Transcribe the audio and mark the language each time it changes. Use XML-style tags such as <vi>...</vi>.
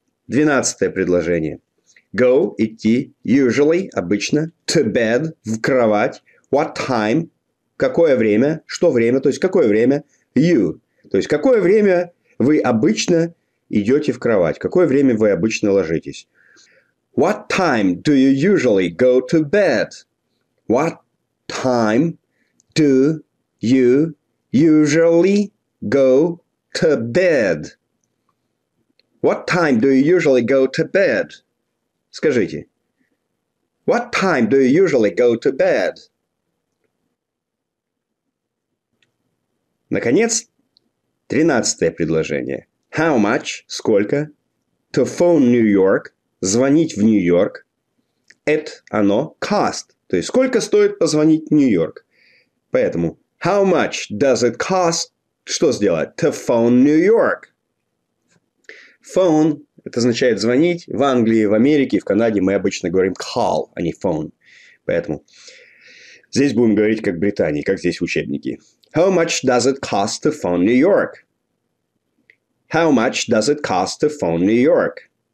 <ru>Двенадцатое предложение.</ru> <en>Go,</en> <ru>идти,</ru> <en>usually,</en> <ru>обычно,</ru> <en>to bed,</en> <ru>в кровать.</ru> <en>What time,</en> <ru>какое время, что время, то есть какое время,</ru> <en>you.</en> <ru>То есть какое время вы обычно идете в кровать, какое время вы обычно ложитесь.</ru> <en>What time do you usually go to bed? What time do you usually go to bed? What time do you usually go to bed?</en> <ru>Скажите.</ru> <en>What time do you usually go to bed?</en> <ru>Наконец, тринадцатое предложение.</ru> <en>How much,</en> <ru>сколько,</ru> <en>to phone New York,</en> <ru>звонить в Нью-Йорк,</ru> <en>it,</en> <ru>оно,</ru> <en>cost,</en> <ru>то есть сколько стоит позвонить в Нью-Йорк. Поэтому,</ru> <en>how much does it cost,</en> <ru>что сделать,</ru> <en>to phone New York?</en> <ru>Phone, это означает звонить, в Англии, в Америке, в Канаде мы обычно говорим call, а не phone. Поэтому, здесь будем говорить как в Британии, как здесь в учебнике.</ru> <en>How much does it cost to phone New York? How much does it cost to phone New York?</en>